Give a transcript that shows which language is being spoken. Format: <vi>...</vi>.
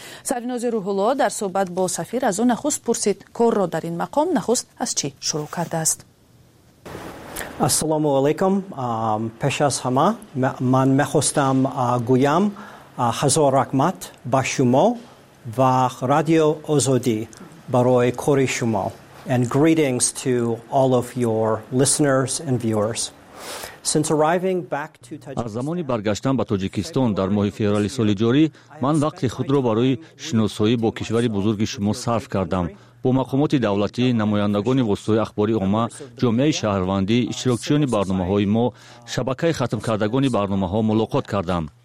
<fa>سرناز روح الله در صحبت با سفیر از او نخست پرسید کار را در این مقام نخست از چی شروع کرده است. السلام علیکم. پیش از همه من می‌خواستم گویم هزار رحمت با شما و رادیو آزادی برای کار شما.</fa> <en>And greetings to all of your listeners and viewers. Since arriving back to Tajikistan,</en> <fa>از زمانی برگشتم به تاجیکستان در ماه فوریه سال جاری، من وقت خود را برای شناسایی با کشور بزرگ شما صرف کردم. با مقامات دولتی، نمایندگان واسطه اخباری عامه، جامعه شهروندی، اشتراکچیان برنامه‌های ما، شبکه ختم کردگان برنامه‌ها ملاقات کردم.</fa>